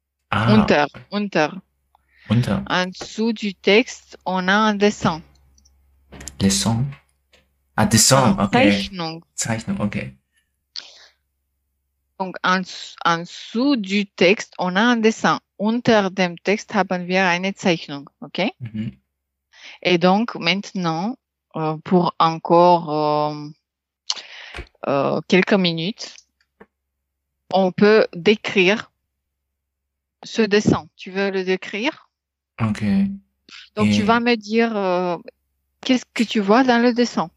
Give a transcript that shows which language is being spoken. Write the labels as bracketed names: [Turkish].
[German] Ah. Unter, unter. Unter. [French] En dessous du texte, on a un dessin. Dessin. Ah, dessin, ah, ok. [German] Zeichnung. Zeichnung, ok. [French] Donc, en dessous du texte, on a un dessin. [German] Unter dem Text haben wir eine Zeichnung, ok? [French] Et donc, maintenant, pour encore quelques minutes, on peut décrire ce dessin. Tu veux le décrire? Ok. Donc, tu vas me dire qu'est-ce que tu vois dans le dessin.